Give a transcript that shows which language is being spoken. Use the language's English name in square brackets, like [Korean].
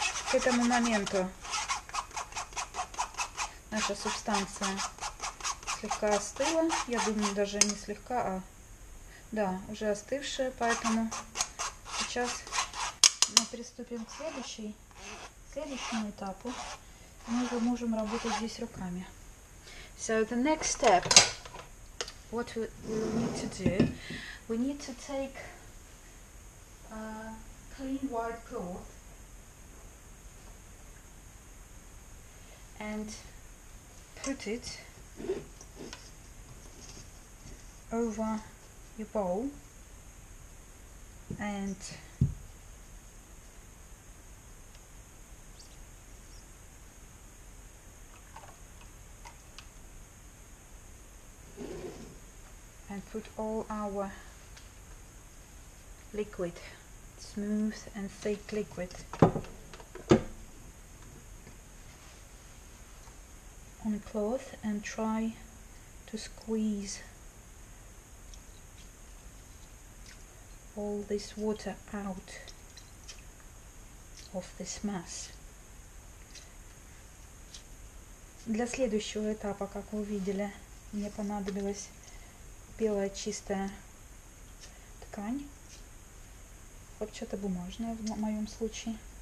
[Russian] К этому моменту наша субстанция с слегка остыла. Я думаю, даже не слегка, а да, уже остывшая, поэтому сейчас мы приступим к следующему этапу. Мы уже можем работать здесь руками. [English] So the next step, what we need to do, we need to take a clean white cloth and put it over your bowl and put all our liquid, smooth and thick liquid, on a cloth and try to squeeze all this water out of this mass. [Russian] Для следующего этапа, как вы видели, мне понадобилось белая чистая ткань, вот что-то бумажное в моем случае.